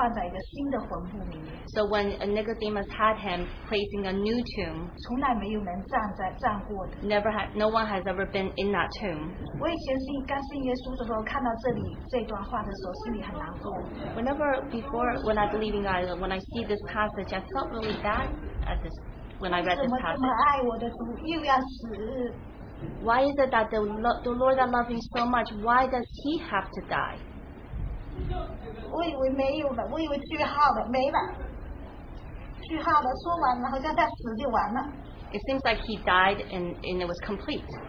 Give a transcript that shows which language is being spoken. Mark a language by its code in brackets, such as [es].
[en] So when Nicodemus had him placing a new tomb, no one has ever been in that tomb. [zh] 我以前信刚信耶稣的时候，看到这里这段话的时候，心里很难过。 [en] Whenever before when I believe in God, when I see this passage, I felt really bad at this when I read this passage. Why is it that the Lord that loves me so much, why does He have to die? [zh] 我以为没有了，我以为句号的没了，句号的说完了，好像他死就完了。 [en] It seems like He died and it was complete.